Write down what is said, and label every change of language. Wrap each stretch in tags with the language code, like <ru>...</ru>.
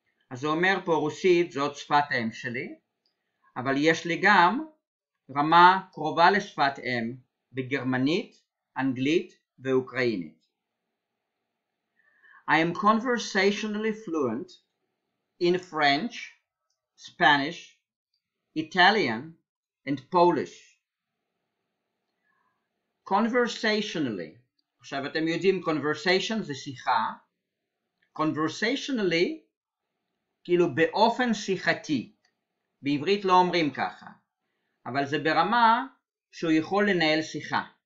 <he>אז הוא אומר פה רוסית, זאת שפת אם שלי, אבל יש לי גם רמה קרובה לשפת אם בגרמנית, אנגלית ואוקראינית.</he> <en>I am conversationally fluent in French, Spanish, Italian and Polish.</en> <he>Conversationally, עכשיו אתם יודעים, conversation זה שיחה. Conversationally, כאילו באופן שיחתי. בעברית לא אומרים ככה, אבל זה ברמה שהוא יכול לנהל שיחה.</he>